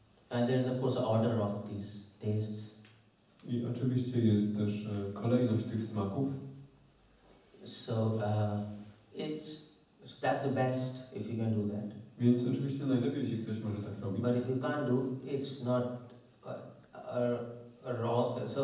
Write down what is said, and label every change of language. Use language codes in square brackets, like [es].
[en] And there is of course an order of these tastes. [pl] I oczywiście jest też kolejność tych smaków. [en] So it's that's the best if you can do that. [pl] Więc oczywiście najlepiej, jeśli ktoś może tak robić. [en] But if you can't do, it's not a wrong.